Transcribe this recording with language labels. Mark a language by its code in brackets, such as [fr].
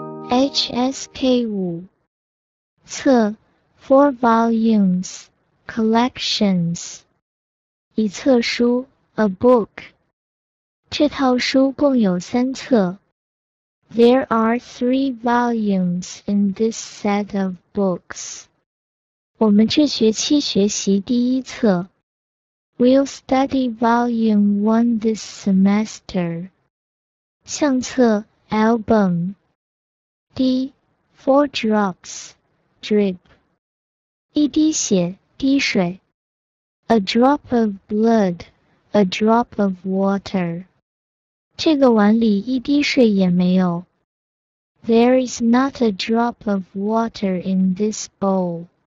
[en] HSK 五，册 ，four volumes, collections. [zh] 一册书 ， [en] a book. [zh] 这套书共有三册。 [en] There are three volumes in this set of books. [zh] 我们这学期学习第一册。 [en] We'll study volume one this semester. 相册 ,album. D, four drops, drip. [zh] 一滴血滴水。 [en] A drop of blood, a drop of water. [zh] 这个碗里一滴水也没有。 [en] There is not a drop of water in this bowl.